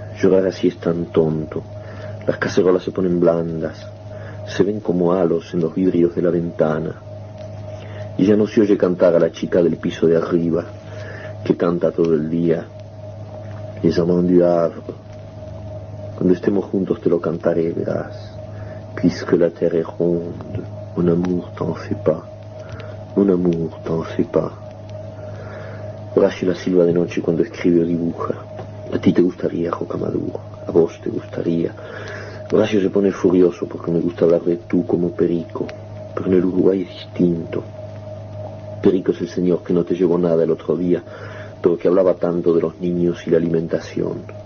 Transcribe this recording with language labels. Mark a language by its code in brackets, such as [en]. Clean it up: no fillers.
[es] Llorar así es tan tonto. Las cacerolas se ponen blandas. Se ven como halos en los vidrios de la ventana. Y ya no se oye cantar a la chica del piso de arriba, que canta todo el día. Les amants du Havre. Cuando estemos juntos te lo cantaré, verás. [fr] Puisque la terre est ronde, mon amour t'en fait pas, mon amour t'en fait pas. [es] Horacio la silba de noche cuando escribe o dibuja. A ti te gustaría, Rocamadour, a vos te gustaría. Horacio se pone furioso porque me gusta hablar de tú como Perico, pero en el Uruguay es distinto. Perico es el señor que no te llevó nada el otro día, pero que hablaba tanto de los niños y la alimentación.